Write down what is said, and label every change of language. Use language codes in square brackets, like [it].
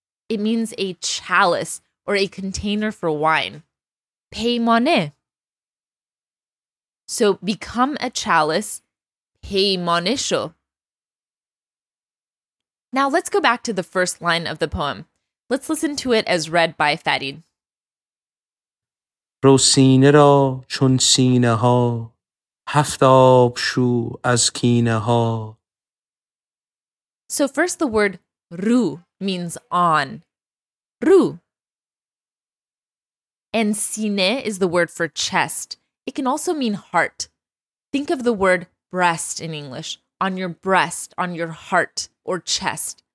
[en] It means a chalice or a container for wine. Peymane. So become a chalice. Peymanisho. Now let's go back to the first line of the poem. Let's listen to it as read by Fadid. [fa] رو سینه را چون سینه ها هفت آب شو از کینه ها. [en] So first the word رو means on. [fa] رو. [en] And سینه is the word for chest. It can also mean heart. Think of the word breast in English. On your breast, on your heart, or chest.